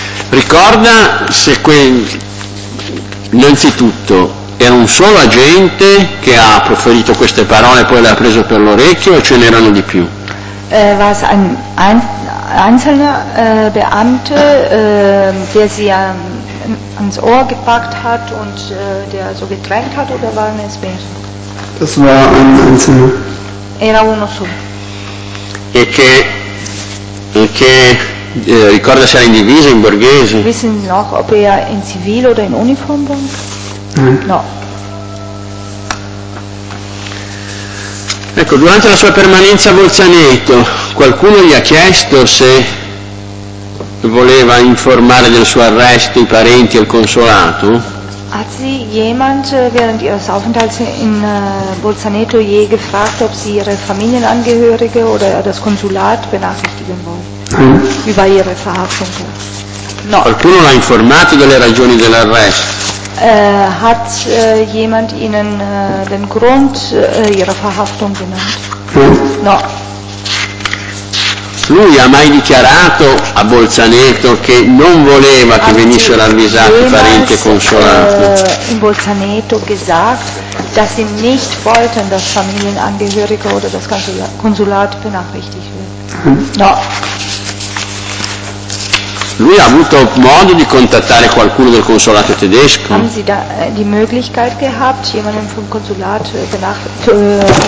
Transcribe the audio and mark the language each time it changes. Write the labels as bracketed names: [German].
[Italian] Ricorda se innanzitutto era un solo agente che ha proferito queste parole e poi le ha preso per l'orecchio o ce n'erano di più? [German] Was ein einzelner Beamte, der sie ans Ohr gepackt hat und der so gedrängt hat, oder waren es mehr? Das war ein einzelner. [Italian] Era uno solo. E che ricorda se era in divisa, in borghese? [German] Wissen Sie noch, ob er in Zivil oder in Uniform war? [Italian] No. Ecco, durante la sua permanenza a Bolzaneto, qualcuno gli ha chiesto se voleva informare del suo arresto i parenti e il consolato? [German] Hat sie jemand während ihres Aufenthalts in Bolzaneto je gefragt, ob sie ihre Familienangehörige oder das Konsulat benachrichtigen wollen? Über ihre Verhaftung? [Italian] No. Qualcuno l'ha informato delle ragioni dell'arresto? [German] Hat jemand ihnen den Grund ihrer Verhaftung genannt? [Italian] No. Lui ha mai dichiarato a Bolzaneto che non voleva che venissero avvisati i parenti e consolati? [German] In Bolzaneto gesagt, dass sie nicht wollten, dass Familienangehörige oder das Konsulat benachrichtigt werden. [Italian] No. Lui ha avuto modo di contattare qualcuno del consolato tedesco? [German] Haben Sie da die Möglichkeit gehabt, jemanden vom Konsulat kontaktieren?